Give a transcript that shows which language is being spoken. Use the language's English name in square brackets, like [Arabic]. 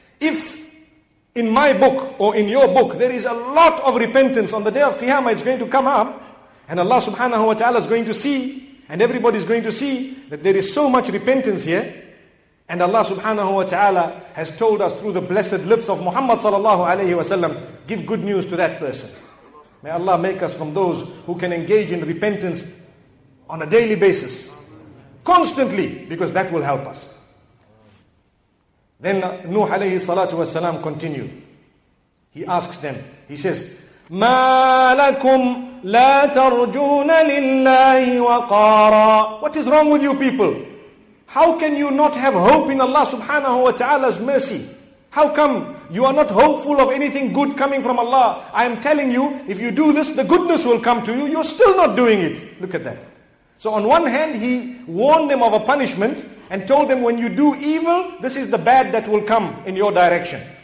[English] If in my book or in your book there is a lot of repentance, on the day of Qiyamah it's going to come up and Allah subhanahu wa ta'ala is going to see, and everybody is going to see that there is so much repentance here, and Allah subhanahu wa ta'ala has told us through the blessed lips of Muhammad sallallahu alayhi wa sallam, give good news to that person. May Allah make us from those who can engage in repentance on a daily basis. Constantly, because that will help us. Then Nuh alayhi salatu wa salam continued. He asks them, he says, [Arabic] مَا لَكُمْ لَا تَرْجُونَ لِلَّهِ وَقَارًا. [English] What is wrong with you people? How can you not have hope in Allah subhanahu wa ta'ala's mercy? How come you are not hopeful of anything good coming from Allah? I am telling you, if you do this, the goodness will come to you. You're still not doing it. Look at that. So on one hand, he warned them of a punishment and told them, when you do evil, this is the bad that will come in your direction.